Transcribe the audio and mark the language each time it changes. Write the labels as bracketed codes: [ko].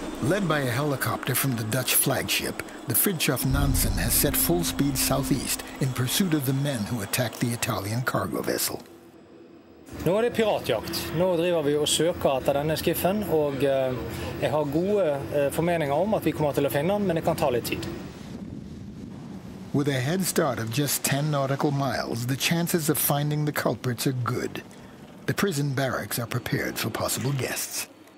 [en] Led by a helicopter from the Dutch flagship, the Fridtjof Nansen has set full speed southeast in pursuit of the men who attacked the Italian cargo vessel. [sv] Nu är det piratjakt. Nu driver vi och söker efter denna skiffen och jag har goda förmeningar om att vi kommer till att finna den, men det kan ta lite tid. [en] With a head start of just 10 nautical miles, the chances of finding the culprits are good. The prison barracks are prepared for possible guests.